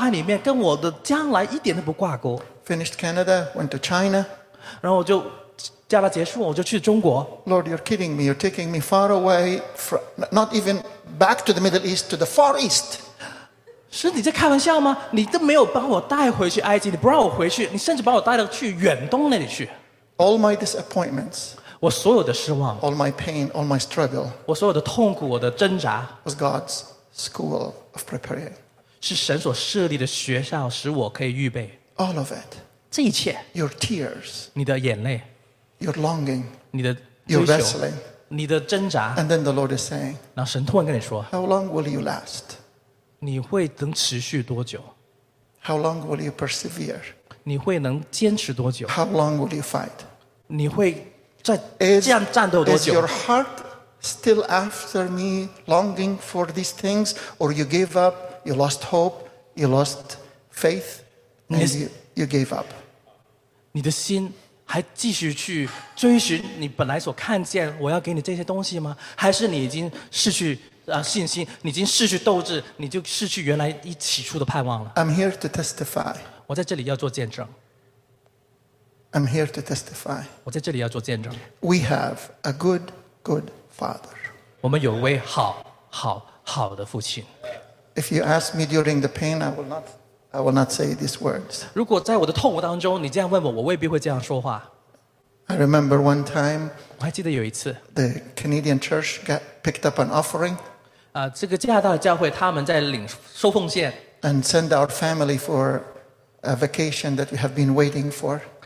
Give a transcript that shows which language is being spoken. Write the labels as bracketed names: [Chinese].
[Chinese] 因为加拿大本来在我的脑海里面跟我的将来一点都不挂钩。 [English] Finished Canada, went to China. [Chinese] 然后我就加拿大结束，我就去中国。 [English] Lord, you're kidding me. You're taking me far away, from, not even back to the Middle East, to the Far East. [Chinese] 神，你在开玩笑吗？你都没有把我带回去埃及，你不让我回去，你甚至把我带到去远东那里去。 [English] All my disappointments, [Chinese] 我所有的失望, [English] all my pain, all my struggle, [Chinese] 我所有的痛苦，我的挣扎, [English] was God's school of preparing. [Chinese] 是神所设立的学校，使我可以预备。 [English] All of it, [Chinese] 这一切, [English] your tears, [Chinese] 你的眼泪, [English] your longing, [Chinese] 你的追求, [English] your wrestling, [Chinese] 你的挣扎, [English] and then the Lord is saying, [Chinese] 然后神突然跟你说, [English] how long will you last? [Chinese] 你会能持续多久? [English] How long will you persevere? [Chinese] 你会能坚持多久? [English] How long will you fight? [Chinese] 你会再这样战斗多久? [English] Is your heart still after me, longing for these things, or you gave up, you lost hope, you lost faith, and you gave up? [Chinese] 你的心还继续去追寻你本来所看见我要给你这些东西吗? 还是你已经失去 信心，你已经失去斗志，你就失去原来一起初的盼望了。 [English] I'm here to testify. [Chinese] 我在这里要做见证。 [English] I'm here to testify. [Chinese] 我在这里要做见证。 [English] We have a good father. [Chinese] 我们有位好的父亲。 [English] If you ask me during the pain, I will not say these words. [Chinese] 如果在我的痛苦当中，你这样问我，我未必会这样说话。 [English] I remember one time. [Chinese] 我还记得有一次。 [English] The Canadian church got picked up an offering. [Chinese] 这个加拿大的教会他们在领收奉献 [English] and send our family for a vacation that we have been waiting for